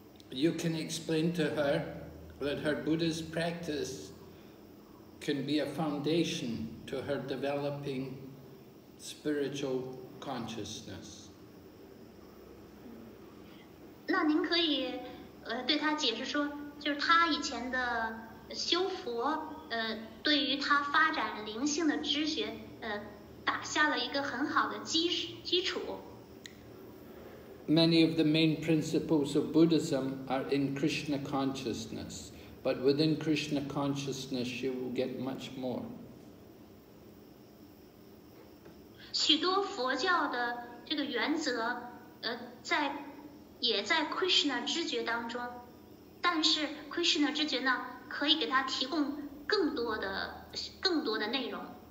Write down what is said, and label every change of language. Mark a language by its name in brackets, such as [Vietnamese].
[English] You can explain to her that her Buddhist practice can be a foundation to her developing spiritual consciousness. [Chinese] 那您可以对她解释说，就是她以前的修佛，对于她发展灵性的知觉，打下了一个很好的基础。 [English] Many of the main principles of Buddhism are in Krishna consciousness, but within Krishna consciousness, you will get much more. [Chinese] 许多佛教的这个原则，在也在 Krishna 知觉当中，但是 Krishna 知觉呢，可以给他提供更多的内容。